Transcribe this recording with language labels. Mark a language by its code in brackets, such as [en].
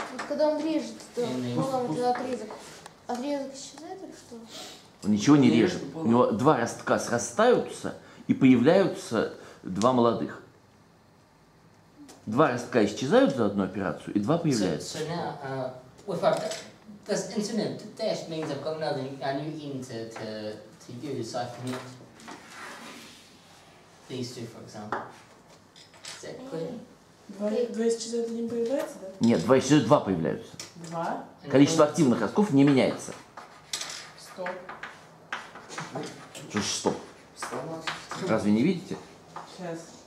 [ru] Вот когда он режет, то отрезок исчезает или что? Он ничего не режет. У него два ростка срастаются и появляются... Два молодых. Два ростка исчезают за одну операцию, и два появляются. [en] So now, with our, this internet dash means I've got another, a new end to use, so I can use these two, for example. Is that clear? [ru] Два исчезают, один появляется, да? Нет, два исчезают, два появляются. Два? Количество активных ростков не меняется. Стоп. Что ж стоп? Стоп. Разве не видите? Сейчас.